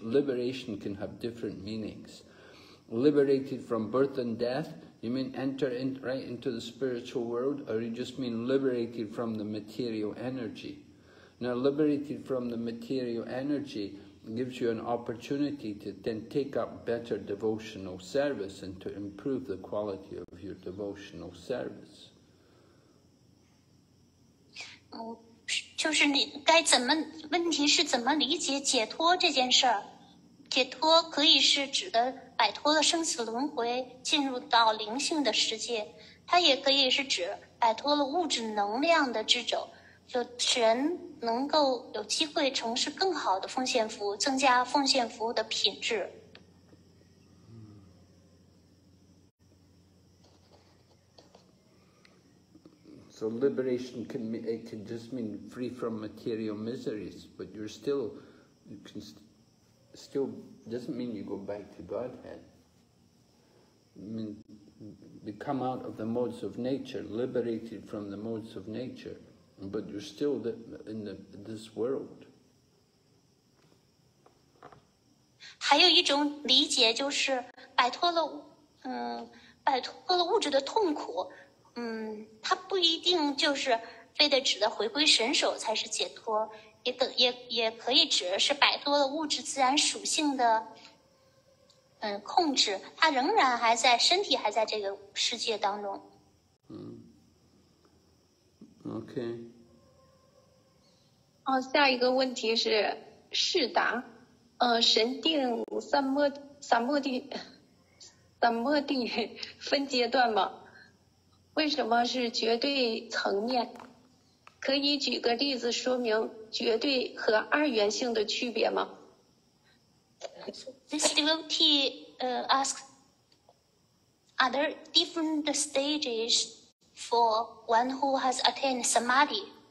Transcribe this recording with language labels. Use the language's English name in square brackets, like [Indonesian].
[English] Liberation can have different meanings. Liberated from birth and death, you mean enter in, right into the spiritual world, or you just mean liberated from the material energy? Now, liberated from the material energy gives you an opportunity to then take up better devotional service and to improve the quality of your devotional service. [Chinese] 就是你该怎么，问题是怎么理解解脱这件事儿？解脱可以是指的摆脱了生死轮回，进入到灵性的世界，它也可以是指摆脱了物质能量的掣肘，就人能够有机会从事更好的奉献服务，增加奉献服务的品质。 [English] So liberation can mean, it can just mean free from material miseries, but you're still, you can still, doesn't mean you go back to Godhead. I mean, you come out of the modes of nature, liberated from the modes of nature, but you're still in this world. [Chinese] 还有一种理解就是摆脱了物质的痛苦。它不一定就是非得指的回归神手才是解脱，也可以指的是摆脱了物质自然属性的控制，它仍然还在，身体还在这个世界当中。 [English] OK。 [Chinese] 好，下一个问题是释达，神定三摩地分阶段吗？为什么是绝对层面？可以举个例子说明绝对和二元性的区别吗？ [English] This devotee asks, are there different stages for one who has attained samadhi?